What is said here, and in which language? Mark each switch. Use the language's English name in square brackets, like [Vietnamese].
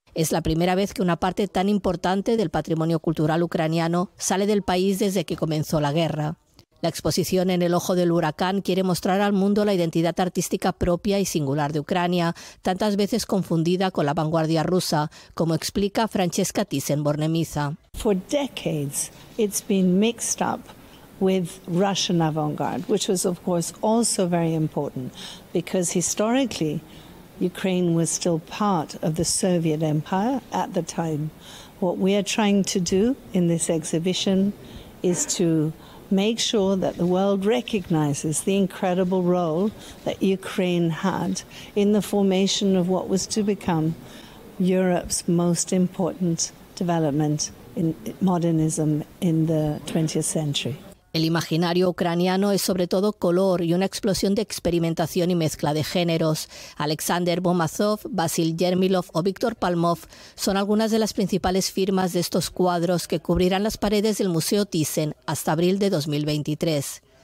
[Spanish] Es la primera vez que una parte tan importante del patrimonio cultural ucraniano sale del país desde que comenzó la guerra. La exposición En el ojo del huracán quiere mostrar al mundo la identidad artística propia y singular de Ucrania, tantas veces confundida con la vanguardia rusa, como explica Francesca Thyssen-Bornemisza. [English] For decades, it's been mixed up with Russian avant-garde, which was of course also very important because historically Ukraine was still part of the Soviet Empire at the time. What we are trying to do in this exhibition is to make sure that the world recognizes the incredible role that Ukraine had in the formation of what was to become Europe's most important development in modernism in the 20th century. [Spanish] El imaginario ucraniano es sobre todo color y una explosión de experimentación y mezcla de géneros. Alexander Bomazov, Vasil Yermilov o Víctor Palmov son algunas de las principales firmas de estos cuadros que cubrirán las paredes del Museo Thyssen hasta abril de 2023.